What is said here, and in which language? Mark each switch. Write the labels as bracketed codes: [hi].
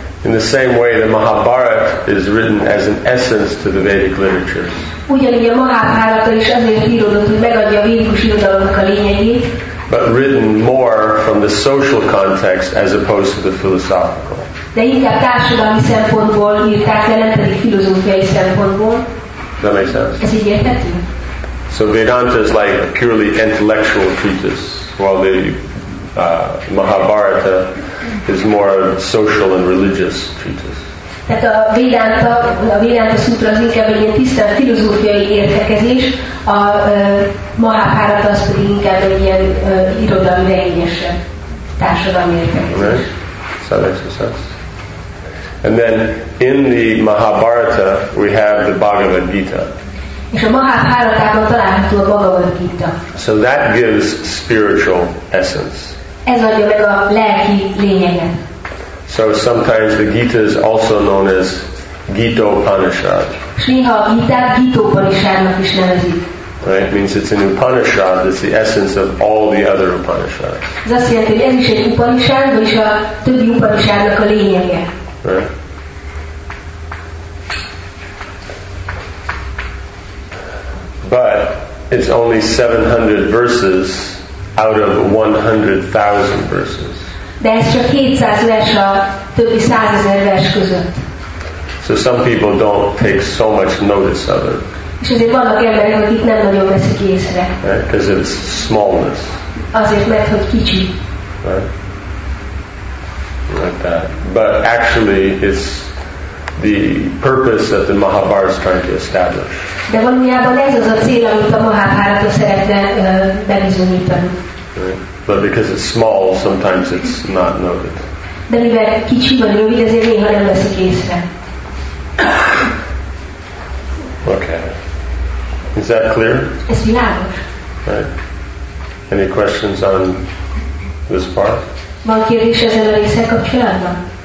[en] In the same way, the Mahabharata is written as an essence to the Vedic literature. [hu] Ugyanígy a Mahabharata is azért íródott, hogy megadja a védikus irodalomnak a lényegét. [en] But written more from the social context as opposed to the philosophical. [hu] De inkább társadalmi szempontból írták le, nem pedig filozófiai szempontból. [en] That makes sense. [hu] Ez így érthető? [en] So Vedanta is like a purely intellectual treatise, while the Mahabharata is more social and religious treatise. [hu] Tehát a Vedanta szutra az inkább egy tisztán filozófiai értekezés, a Mahabharata az pedig inkább egy ilyen irodalmi regényesebb társadalmi értekezés. [en] Right. So that makes sense. And then in the Mahabharata we have the Bhagavad Gita. [hu] És a Mahabharatában található a Bhagavad Gita. [en] So that gives spiritual essence. [hu] Ez adja meg a lelki lényeget. [en] So sometimes the Gita is also known as Gita Upanishad. [hu] És néha a Gitát Gita Upanishadnak is nevezik. [en] Right, means it's an Upanishad, it's the essence of all the other Upanishads. [hu] Ez azt jelenti, hogy ez is egy Upanishad, vagyis a többi Upanishadnak a lényege. [en] But it's only 700 verses out of 100,000 verses. [hu] De ez csak 700 vers a többi 100,000 vers között. [en] So some people don't take so much notice of it. [hu] És azért vannak emberek, akik nem nagyon veszik észre. [en] Because of its smallness. [hu] Azért, mert hogy kicsi. [en] Like that. But actually it's the purpose that the Mahabharata is trying to establish. [hu] De valójában ez az a cél, amit a Mahabharata szeretne bebizonyítani. [en] But because it's small, sometimes it's not noted. [hu] De mivel kicsi vagy rövid, ezért néha nem veszik észre. [en] Okay. Is that clear? [hu] Ez világos. [en] Right. Any questions on this part? [hu] Van kérdés ezzel a részsel kapcsolatban?